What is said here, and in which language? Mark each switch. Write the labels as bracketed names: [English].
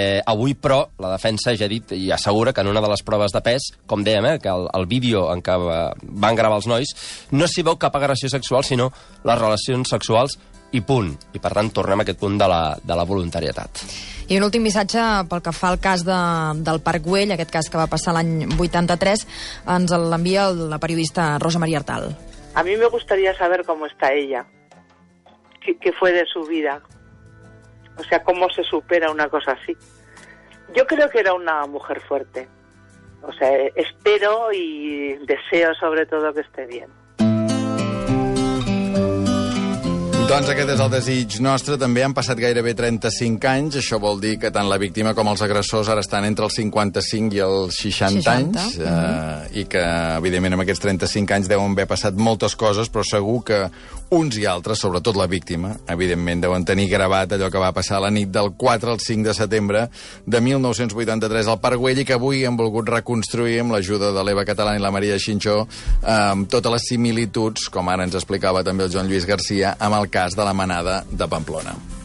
[Catalan] Avui, però, la defensa ja ha dit i assegura que en una de les proves de pes, com dèiem, que el vídeo en què van gravar els nois, no s'hi veu cap agressió sexual, sinó les relacions sexuals i punt. I, per tant, tornem a aquest punt de la voluntarietat. I un últim missatge pel que fa al cas del Parc Güell, aquest cas que va passar l'any 83, ens l'envia la periodista Rosa Maria Artal. [Spanish] A mi me gustaría saber cómo está ella, qué fue de su vida. O sea, ¿cómo se supera una cosa así? Yo creo que era una mujer fuerte. O sea, espero y deseo sobre todo que esté bien. [Catalan] Doncs aquest és el desig nostre. També han passat gairebé 35 anys. Això vol dir que tant la víctima com els agressors ara estan entre els 55 i els 60 anys. I que, evidentment, amb aquests 35 anys deuen haver passat moltes coses, però segur que uns i altres, sobretot la víctima, evidentment, deuen tenir gravat allò que va passar la nit del 4 al 5 de setembre de 1983 al Parc Güell, i que avui hem volgut reconstruir amb l'ajuda de l'Eva Catalán i la Maria Xinxó amb totes les similituds, com ara ens explicava també el Joan Lluís García, amb el cas de la manada de Pamplona.